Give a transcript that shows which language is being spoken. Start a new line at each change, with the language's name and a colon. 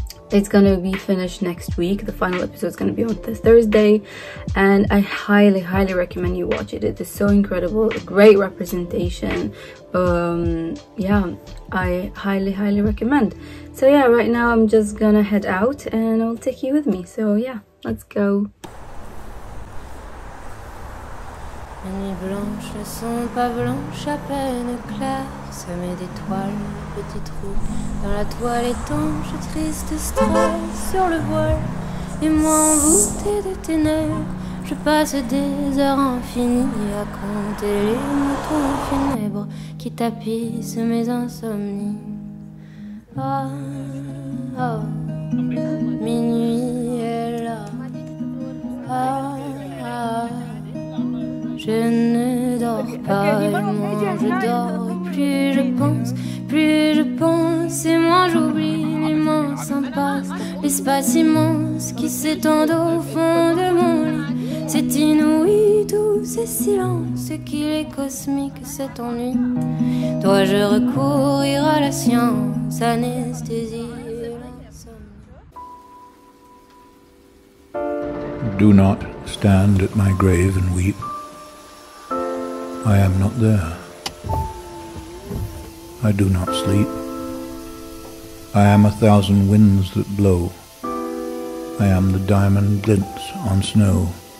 English: It's gonna be finished next week. The final episode is gonna be on this Thursday, and I highly, highly recommend you watch it. It is so incredible, a great representation. Yeah, I highly, highly recommend. So yeah, right now I'm just gonna head out, and I'll take you with me. So yeah, let's go.
French: Nuit blanche, son pas blanche, à peine claire, semé d'étoiles, petits trous dans la toile étanche, triste strale sur le voile, et moi envoûté de ténèbres, je Je passe des heures infinies à compter les moutons funèbres qui tapissent mes insomnies. Ah, ah, minuit est là. Ah, ah, je ne dors pas et moins je dors. Et plus je pense et moins j'oublie l'immense impasse. L'espace immense qui s'étend au fond de mon lit. C'est inouï, tous ces silences, qu'il est cosmique cet ennui. Dois-je recourir à la science, anesthésie et l'insomnie.
English: Do not stand at my grave and weep. I am not there. I do not sleep. I am a thousand winds that blow. I am the diamond glints on snow.